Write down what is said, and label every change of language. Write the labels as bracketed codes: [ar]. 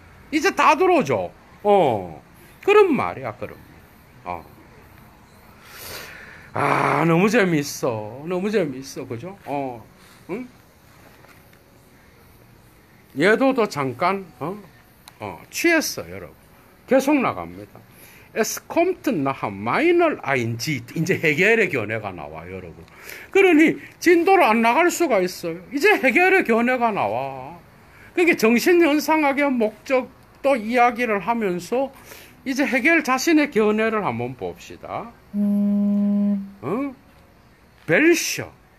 [ko] 이제 다 들어오죠. 그런 말이야, 그럼. 아, 너무 재미있어. 너무 재미있어. 그죠? 얘도도 잠깐 취했어, 여러분. 계속 나갑니다. [de] Es kommt nach meiner Einsicht. [ko] 이제 해결의 견해가 나와, 여러분. 그러니 진도를 안 나갈 수가 있어요. 이제 해결의 견해가 나와. 그게 정신현상학의 목적 또 이야기를 하면서 이제 헤겔 자신의 견해를 한번 봅시다. 어? 벨셔.